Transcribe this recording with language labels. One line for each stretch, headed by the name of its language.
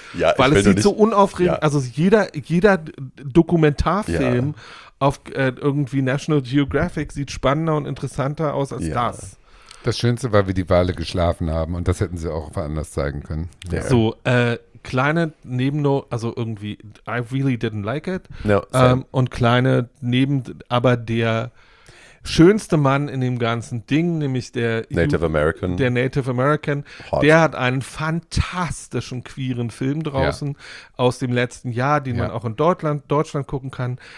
German: Ja, weil es sieht so unaufregend, also jeder Dokumentarfilm auf irgendwie National Geographic sieht spannender und interessanter aus als das. Das Schönste war, wie die Wale geschlafen haben und das hätten sie auch woanders zeigen können.
English: Yeah.
German: So, kleine Nebenno, also irgendwie, I really didn't like it.
English: No,
German: und kleine Neben, aber der schönste Mann in dem ganzen Ding, nämlich der
English: Native American.
German: Der Native American, Hot. Der hat einen fantastischen queeren Film draußen aus dem letzten Jahr, den man auch in Deutschland gucken kann.